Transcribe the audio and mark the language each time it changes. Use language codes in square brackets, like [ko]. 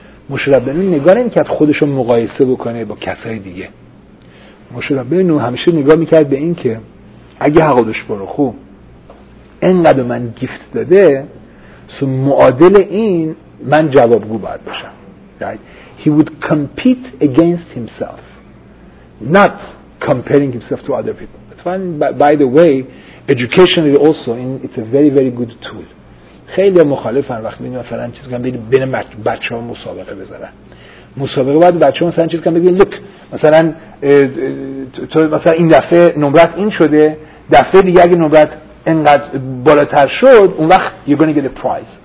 [fa] مشربنو نگاه نمیکرد خودشو مقایسه بکنه با کسای دیگه، مشربنو همیشه نگاه میکرد به این که اگه حقادش برو خوب انقدر من گیفت داده سو معادل این من جوابگو باید باشم right. [en] He would compete against himself not comparing himself to other people. And by the way educationally also it's a very very good tool. [fa] خیلی مخالفن وقتی میگن مثلا چیز کنم ببین بین بچه‌ها مسابقه بذارن، مسابقه بعد بچه‌ها مثلا چیز کنم ببین لوک مثلا تو مثلا این دفعه نمرت این شده دفعه دیگه اگه نوبت انقدر بالاتر شد اون وقت [en] you're gonna get a prize.